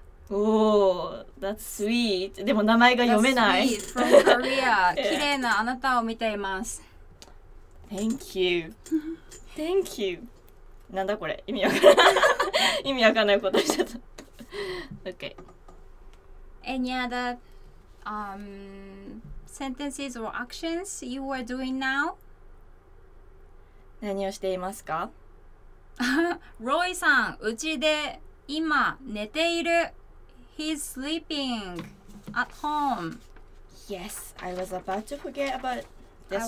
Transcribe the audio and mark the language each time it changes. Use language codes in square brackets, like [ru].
[ja] おお、 [en] that's sweet。 [ja] でも名前が読めない。 [en] That's sweet from Korea。 [ja] 綺麗なあなたを見ています。 [en] Thank you。 Thank you。 [ja] なんだこれ、意味わからない意味わからないことしちゃった OK [en] Any other、sentences or actions you are doing now? [ja] 何をしていますか？ロイさん、うちで今寝ている。 [en] He's sleeping at home. Yes, I was about to forget about this